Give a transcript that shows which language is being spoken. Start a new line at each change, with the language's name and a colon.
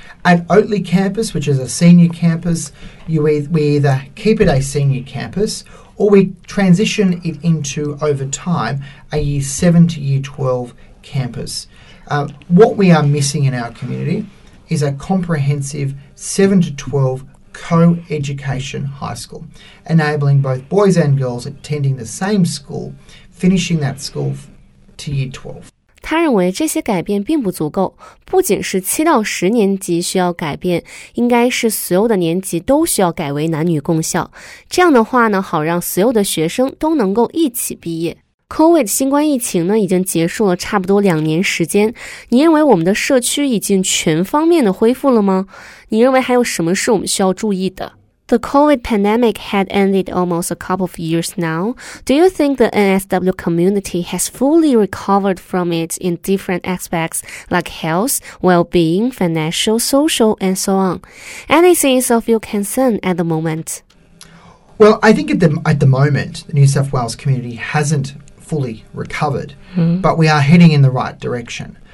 English: At Oatley Campus, which is a senior campus, we either keep it a senior campus or we transition it into, over time, a Year 7 to Year 12 campus. What we are missing in our community is a comprehensive 7 to 12 co-education high school, enabling both boys and girls attending the same school, finishing that school to Year 12.
Chinese: 他认为这些改变并不足够，不仅是7到10年级需要改变，应该是所有的年级都需要改为男女共校，这样的话呢，好让所有的学生都能够一起毕业。 COVID 新冠疫情呢已经结束了差不多两年时间，你认为我们的社区已经全方面的恢复了吗？你认为还有什么是我们需要注意的？
English: The COVID pandemic had ended almost a couple of years now. Do you think the NSW community has fully recovered from it in different aspects like health, well-being, financial, social, and so on? Anything is of your concern at the moment? Well, I think at the moment, the New South Wales community hasn't fully recovered, but we are heading in the right direction.